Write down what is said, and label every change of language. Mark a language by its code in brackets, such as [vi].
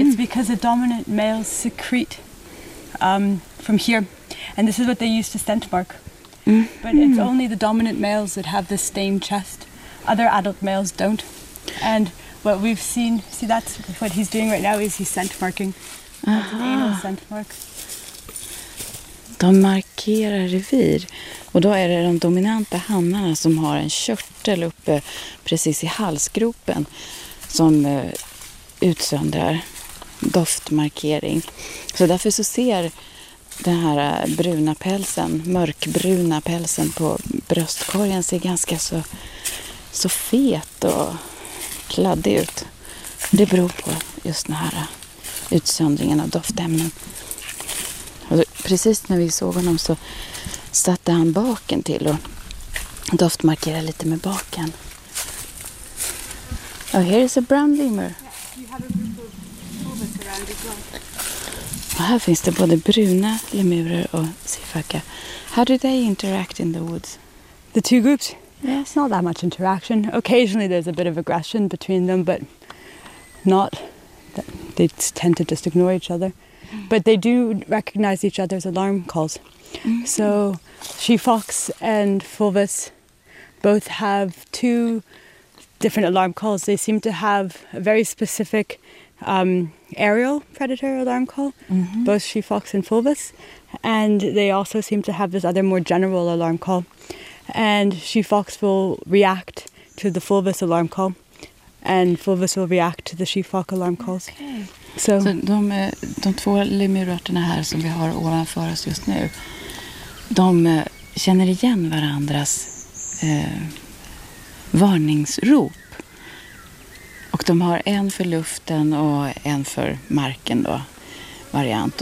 [en] It's because the dominant males secrete from here, and this is what they use to scent mark. Mm-hmm. But it's only the dominant males that have this stained chest. Other adult males don't. And what we've seen, see, that's what he's doing right now, is he's scent marking. That's an anal scent mark. [sv] De markerar revir, och då är det de dominanta hannarna som har en körtel uppe precis i halsgropen som utsöndrar doftmarkering. Så därför så ser den här bruna pälsen, mörkbruna pälsen på bröstkorgen, ser ganska så fet och kladdig ut. Det beror på just den här utsöndringen av doftämnen. Och precis när vi såg honom så satte han baken till och doftmarkerade lite med baken. [en] Oh, here is a brown lemur. [sv] Och här finns det både bruna lemurer och sifaka. [en] How do they interact in the woods? The two groups? Yeah, it's not that much interaction. Occasionally there's a bit of aggression between them, but not that they tend to just ignore each other. But they do recognize each other's alarm calls. Mm-hmm. So she fox and Fulvis both have two different alarm calls. They seem to have a very specific aerial predator alarm call, mm-hmm. both she fox and Fulvis. And they also seem to have this other more general alarm call. And she fox will react to the Fulvis alarm call, and Fulvis will react to the she fox alarm calls. Okay. [sv] Så de två lemurarterna här som vi har ovanför oss just nu, de känner igen varandras varningsrop. Och de har en för luften och en för marken då, variant.